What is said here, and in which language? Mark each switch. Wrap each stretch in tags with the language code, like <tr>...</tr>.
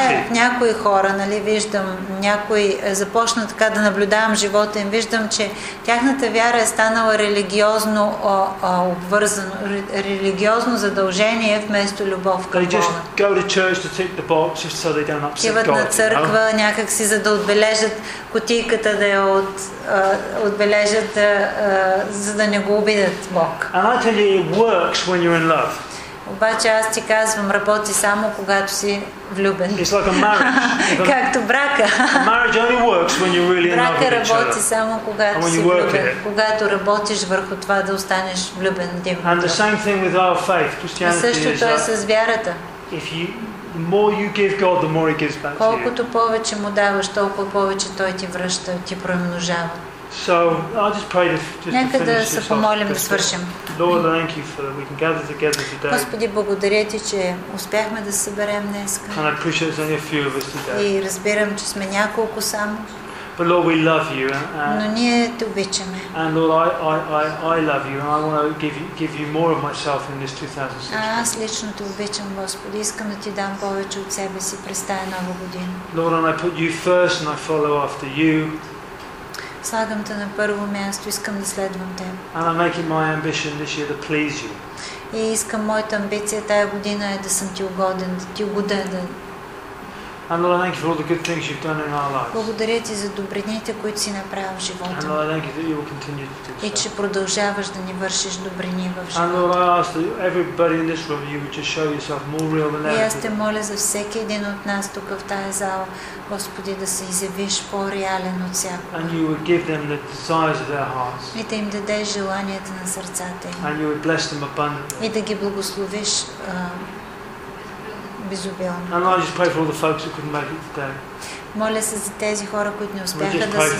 <bg>Някои хора, нали, виждам някои започнат така да наблюдавам живота им, виждам, че тяхната вяра е станала религиозно обвързано, религиозно задължение вместо любов към Бога.</bg> <en>Just go to church to tick the box just so they don't upset God.</en> <bg>На църква някак си, за да отбележат кутийката, да я отбележат, за да не го обидят Бог.</bg> <en>And I tell you, it works when you're in love.</en> <bg>Обаче аз ти казвам, работи само когато си влюбен.</bg> <en>It's like a marriage.</en> <bg>Както брака.</bg> <en>Marriage only works when you're really in love.</en> <bg>Брака работи само когато си влюбен. Когато работиш върху това да останеш влюбен.</bg> <en>And the same thing with our faith, Christianity.</en> <bg>Същото е с вярата.</bg> <en>The more you give God, the more He gives back to you.</en> <bg>Колкото повече му даваш, толкова повече Той ти връща, ти промножава.</bg> <en>So I'll just pray to finish this.</en> <bg>Нека да се помолим да свършим.</bg> <en>Lord, thank you for that. We can gather together today.</en> <bg>Господи, благодаря ти, че успяхме да съберем днес.</bg> <en>And I appreciate it's only a few of us today.</en> <bg>И разбирам, че сме няколко само.</bg> <en>But Lord, we love you.</en> <bg>Но ние те обичаме.</bg> <en>And Lord, I love you, and I want to give you more of myself in this 2016.</en> <bg>Аз лично те обичам, Господи. Искам да ти дам повече от себе си през тая нова година.</bg> <en>Lord, and I put you first, and I follow after you.</en> <bg>Слагам те на първо място, искам да следвам те.</bg> <en>And I make it my ambition this year to please you.</en> <bg>И искам, моята амбиция тая година е да съм ти угоден, да ти угоден.</bg> <en>And Lord, I thank you for all the good things you've done in our lives.</en> <bg>Благодаря ти за добрините, които си направил в живота.</bg> <en>And Lord, I thank you that you will continue to do so.</en> <bg>И че продължаваш да ни вършиш добрини в живота.</bg> <en>And Lord, I ask that everybody in this room, you would just show yourself more real than ever.</en> <bg>И аз те моля за всеки един от нас тук в тая зала, Господи, да се изявиш по-реален от всякога.</bg> <en>And you would give them the desires of their hearts.</en> <bg>И да им дадеш желанията на сърцата им.</bg> <en>And you would bless them abundantly.</en> <bg>И да ги благословиш безобилно.</bg> <en>And I just pray for all the folks who couldn't make it today.</en> <bg>Моля се за тези хора, които не успяха да се</bg>